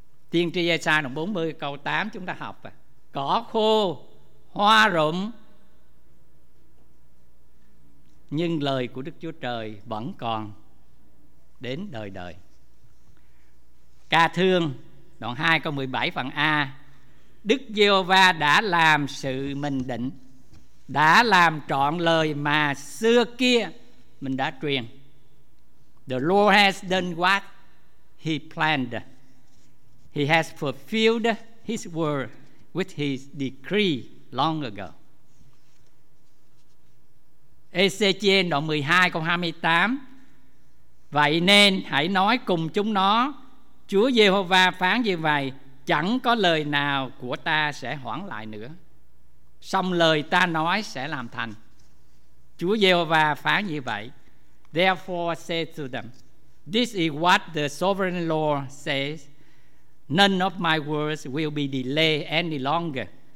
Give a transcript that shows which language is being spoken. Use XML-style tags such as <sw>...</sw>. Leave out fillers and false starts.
<vi>Tiên tri Isaiah đoạn 40 câu 8 chúng ta học: Cỏ khô, hoa rụng, nhưng lời của Đức Chúa Trời vẫn còn đến đời đời. Ca thương đoạn 2 câu 17 phần A: Đức Giê-hô-va đã làm sự mình định, đã làm trọn lời mà xưa kia mình đã truyền.</vi> <en>The Lord has done what he planned. He has fulfilled his word with his decree long ago.</en> <vi>Ê-xê-chiên đoạn 12 câu 28: Vậy nên hãy nói cùng chúng nó, Chúa Giê-hô-va phán như vậy, chẳng có lời nào của ta sẽ hoãn lại nữa, song lời ta nói sẽ làm thành. Chúa Giê-hô-va phán như vậy:</vi> <en>Therefore say to them, this is what the sovereign Lord says, none of my words will be delayed any longer.</en>